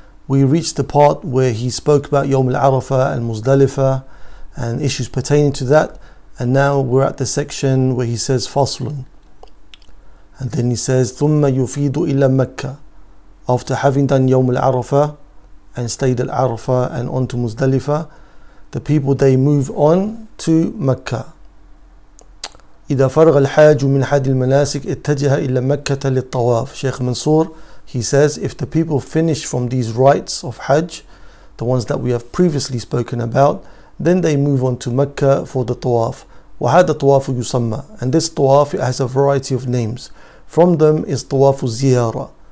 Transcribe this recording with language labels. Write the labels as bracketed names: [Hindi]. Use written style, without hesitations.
[English] We reached the part where he spoke about Yawm al-Arafah and Muzdalifah and issues pertaining to that, and now we're at the section where he says Faslun, and then he says Thumma yufidu ila Makkah, after having done Yawm al-Arafah and stayed at Arafah and on to Muzdalifah, the people they move on to Mecca. [Arabic] إذا فرغ الحاج من حد المناسك اتجه إلى مكة للطواف. [English] Sheikh Mansour, he says, if the people finish from these rites of Hajj, the ones that we have previously spoken about, then they move on to Mecca for the Tawaf. [Arabic] وهذا طواف يسمى. [English] And this Tawaf, it has a variety of names. From them is Tawaf الزيارة.